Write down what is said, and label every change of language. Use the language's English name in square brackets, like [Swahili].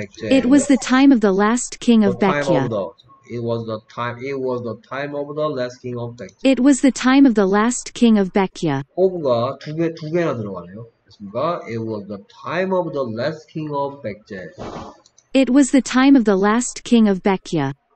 [English] It was the time of the last king of Baekje. The time of Baekje. the. It was the time of the last king of Baekje. It was the time of the last king of Baekje. [Korean] of가 두 개나 들어가네요. 그렇습니까? [English] It was the time of the last king of Baekje. It was the time of the last king of Baekje.